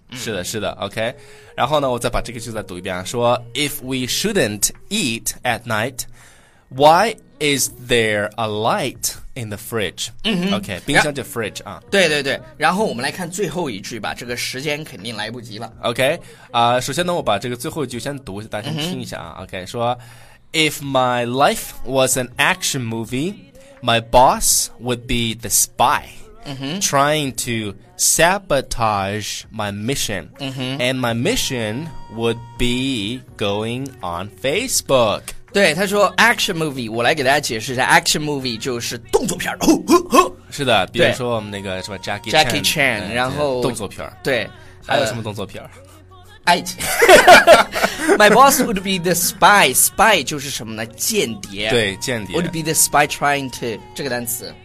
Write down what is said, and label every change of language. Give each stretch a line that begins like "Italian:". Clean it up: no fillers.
Chinese: 是的，是的 ，OK。然后呢，我再把这个句子读一遍，说
English: If we shouldn't eat at night， why is there a light in the fridge？
Chinese: OK， 冰箱就 fridge 啊。对对对，然后我们来看最后一句吧，这个时间肯定来不及了。 OK，首先呢，我把这个最后一句先读，大家先听一下啊。
English: OK， 说 If my life was an action movie， my boss would be the spy。 Trying to sabotage my mission And my mission would be going on Facebook。
Chinese: 对，他说 action movie， 我来给大家解释一下， action movie 就是动作片。是的，比如说我们那个什么 Jackie Chan、然后动作片。对，还有什么动作片？爱情。
English: My boss would be the spy。
Chinese: Spy 就是什么呢？间谍。对，间谍。
English: Would be the spy trying to，
Chinese: 这个单词，